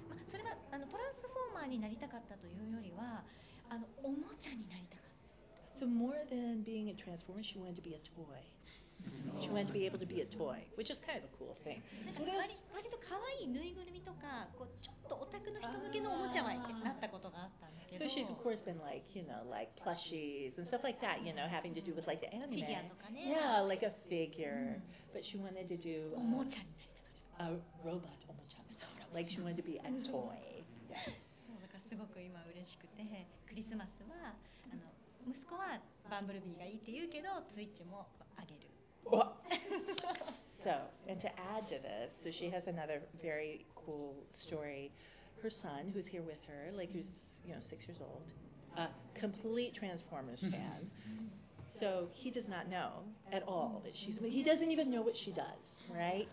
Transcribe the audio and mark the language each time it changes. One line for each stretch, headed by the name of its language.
Japanese: それはあのトランスフォーマーになりたかったというよりはあのおもちゃになりたかった。
English: So more than being a transformer, she wanted to be a toy. She wanted to be able to be a toy, which is kind of a cool thing.
Japanese: わりとかわいいぬいぐるみとかこうちょっとオタクの人向けのおもちゃになったことがあったんだけど。
English: So she's of course been like, you know, like plushies and stuff like that, you know, having to do with like the anime.
Japanese: フィギュアとかね。
English: Yeah, like a figure. But she wanted to do
Japanese: おもちゃになりたかった。
English: A robot おもちゃ。Like she wanted to be a toy.
Japanese: そうだからすごく今嬉しくて、クリスマスはあの息子はバンブルビーがいいって言うけど、スイッチもあげる。
English: So, and to add to this, so she has another very cool story. Her son, who's here with her, like who's, you know, 6 years old, a complete Transformers fan. So he does not know at all that she's, he doesn't even know what she does, right?